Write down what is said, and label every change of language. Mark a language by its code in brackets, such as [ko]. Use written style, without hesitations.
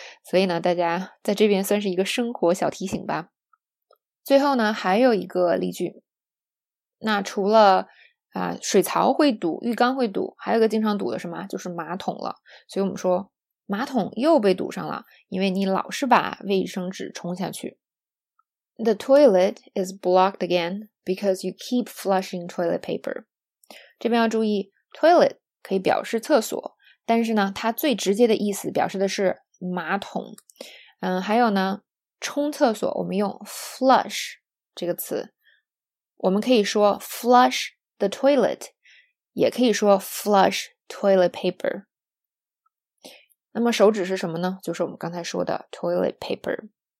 [zh] 所以呢大家在这边算是一个生活小提醒吧。最后呢还有一个例句，那除了水槽会堵，浴缸会堵，还有个经常堵的什么，就是马桶了。所以我们说马桶又被堵上了，因为你老是把卫生纸冲下去。 [en] The toilet is blocked again because you keep flushing toilet paper. [zh] 这边要注意 toilet 可以表示厕所，但是呢它最直接的意思表示的是马桶。还有呢冲厕所我们用 flush 这个词，我们可以说 flush the toilet， 也可以说 flush toilet paper。 那么手指是什么呢？就是我们刚才说的 toilet paper。